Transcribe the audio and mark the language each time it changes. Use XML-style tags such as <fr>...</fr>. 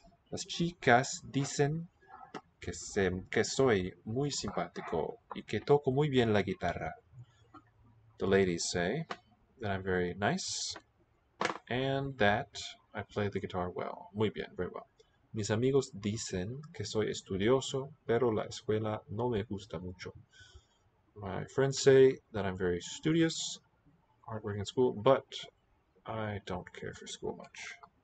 <es>Las chicas dicen que soy muy simpático y que toco muy bien la guitarra.</es> <en>The ladies say that I'm very nice and that I play the guitar well.</en> <es>Muy bien,</es> <en>very well.</en> <es>Mis amigos dicen que soy estudioso, pero la escuela no me gusta mucho.</es> <en>My friends say that I'm very studious, hardworking in school, but I don't care for school much.</en>